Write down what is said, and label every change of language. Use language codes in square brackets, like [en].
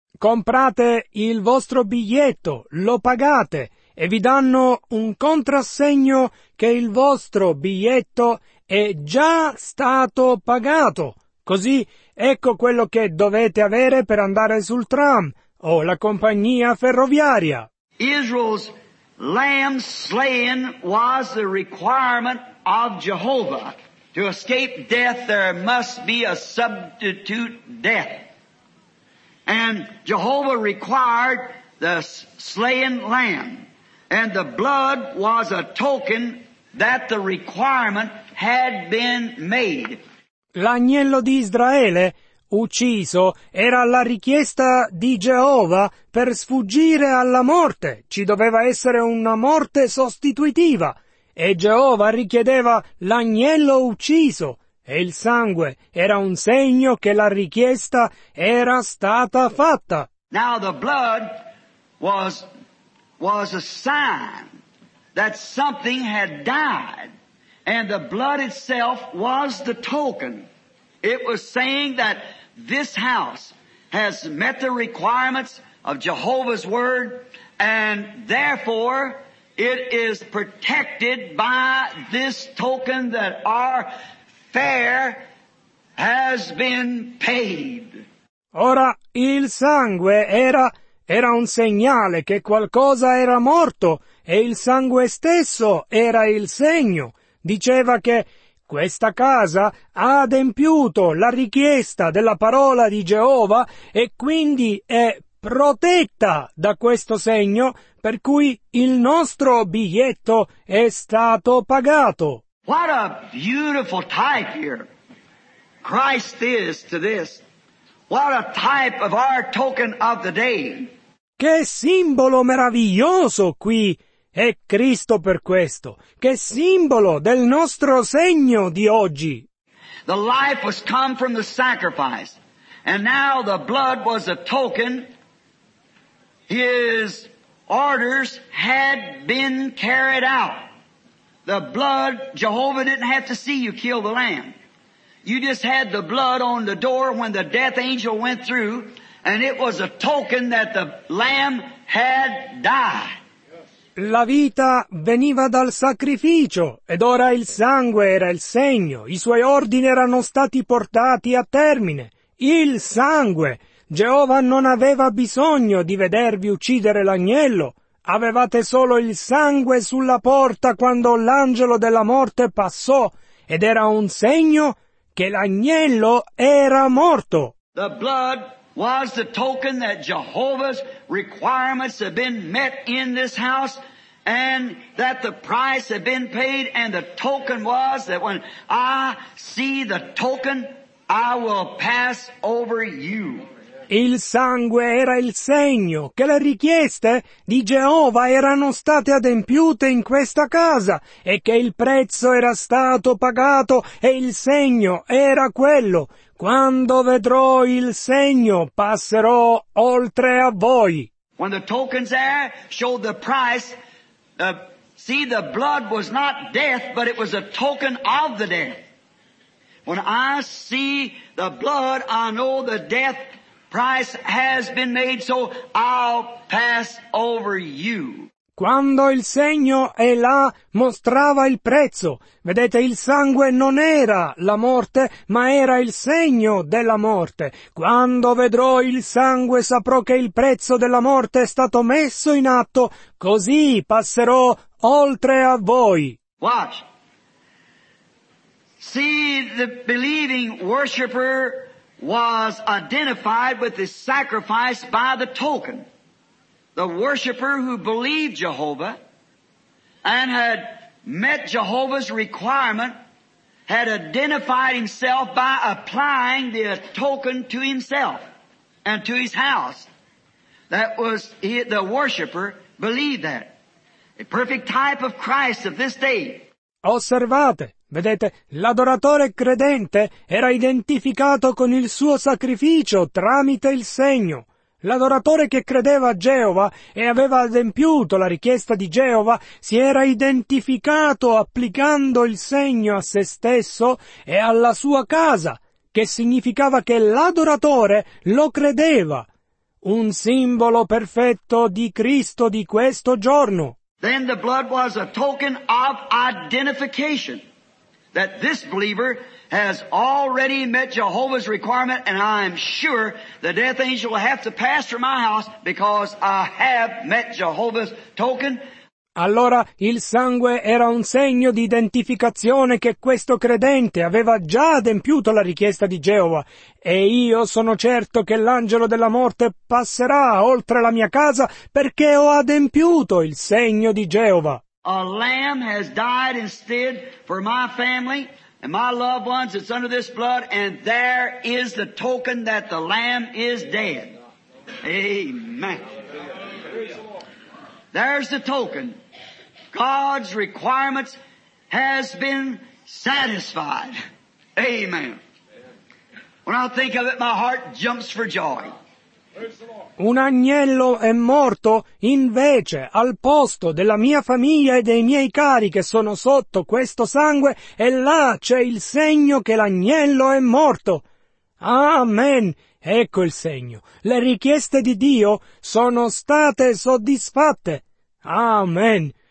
[it] Comprate il vostro biglietto, lo pagate e vi danno un contrassegno che il vostro biglietto è già stato pagato. Così ecco quello che dovete avere per andare sul tram o la compagnia ferroviaria. [en] Israel's lamb slain was the requirement of Jehovah. To escape death there must be a substitute death. And Jehovah required the slain lamb. And the blood was a token that the requirement had been made. [it] L'agnello di Israele, ucciso, era la richiesta di Geova per sfuggire alla morte. Ci doveva essere una morte sostitutiva. E Geova richiedeva l'agnello ucciso. E il sangue era un segno che la richiesta era stata fatta. [en] Now the blood was a sign that something had died. And the blood itself was the token. It was saying that this house has met the requirements of Jehovah's word and therefore it is protected by this token that our fare has been paid. [it] Ora il sangue era un segnale che qualcosa era morto e il sangue stesso era il segno. Diceva che questa casa ha adempiuto la richiesta della parola di Geova e quindi è protetta da questo segno per cui il nostro biglietto è stato pagato. [en] What a beautiful type here Christ is to this. What a type of our token of the day. [it] Che simbolo meraviglioso qui è Cristo per questo. Che simbolo del nostro segno di oggi. [en] The life was come from the sacrifice. And now the blood was a token. His orders had been carried out. The blood, Jehovah didn't have to see you kill the lamb. You just had the blood on the door when the death angel went through And it was a token that the lamb had died. [it] La vita veniva dal sacrificio, ed ora il sangue era il segno. I suoi ordini erano stati portati a termine. Il sangue! Geova non aveva bisogno di vedervi uccidere l'agnello. Avevate solo il sangue sulla porta quando l'angelo della morte passò, ed era un segno che l'agnello era morto. [en] The blood was the token that Jehovah's requirements had been met in this house, and that the price had been paid, and the token was that when I see the token, I will pass over you. [it] Il sangue era il segno che le richieste di Geova erano state adempiute in questa casa e che il prezzo era stato pagato e il segno era quello. Quando vedrò il segno, passerò oltre a voi. [en] When the tokens there showed the price, see the blood was not death, but it was a token of the death. When I see the blood, I know the death price has been made, so I'll pass over you. [it] Quando il segno è là, mostrava il prezzo. Vedete, il sangue non era la morte, ma era il segno della morte. Quando vedrò il sangue, saprò che il prezzo della morte è stato messo in atto, così passerò oltre a voi. [en] Watch. See the believing worshiper was identified with the sacrifice by the token. The worshiper who believed Jehovah and had met Jehovah's requirement had identified himself by applying the token to himself and to his house. That was, the worshiper believed that. A perfect type of Christ of this day. [it] Osservate. Vedete, l'adoratore credente era identificato con il suo sacrificio tramite il segno. L'adoratore che credeva a Geova e aveva adempiuto la richiesta di Geova si era identificato applicando il segno a se stesso e alla sua casa, che significava che l'adoratore lo credeva. Un simbolo perfetto di Cristo di questo giorno. [en] Then the blood was a token of identification. That this believer has already met Jehovah's requirement, and I am sure the death angel will have to pass through my house because I have met Jehovah's token. [it] Allora il sangue era un segno di identificazione che questo credente aveva già adempiuto la richiesta di Geova, e io sono certo che l'angelo della morte passerà oltre la mia casa perché ho adempiuto il segno di Geova. [en] A lamb has died instead for my family and my loved ones. It's under this blood, and there is the token that the lamb is dead. Amen. There's the token. God's requirements has been satisfied. Amen. When I think of it, my heart jumps for joy. [it] Un agnello è morto invece al posto della mia famiglia e dei miei cari che sono sotto questo sangue, e là c'è il segno che l'agnello è morto. Amen. Ecco il segno. Le richieste di Dio sono state soddisfatte. Amen.